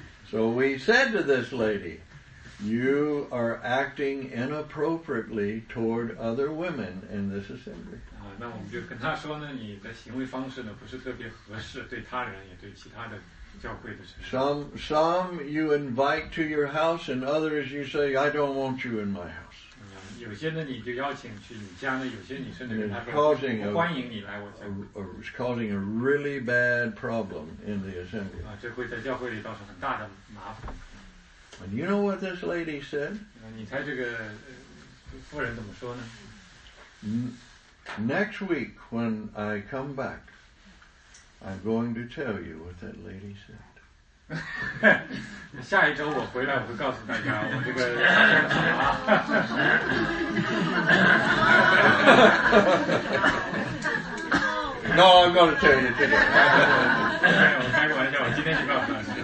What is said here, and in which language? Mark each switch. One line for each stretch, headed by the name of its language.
English: So we said to this lady, you are acting inappropriately toward other women in this assembly.
Chinese: 那我们就跟他说呢，你的行为方式呢不是特别合适，对他人也对其他的教会的人。
English: Some you invite to your house, and others you say I don't want you in my house.
Chinese: 有些呢你就邀请去你家呢，有些你甚至跟他说我不欢迎你来我家。
English: It's causing a really bad problem in the assembly.
Chinese: 这会在教会里造成很大的麻烦。
English: And you know what this lady said?
Chinese: 你猜这个妇人怎么说呢？
English: Next week, when I come back, I'm going to tell you what that lady said.
Chinese: 下一周我回来，我会告诉大家我这个发生了什么。
English: No, I'm going to tell you today.
Chinese: 我开个玩笑，我今天就告诉你。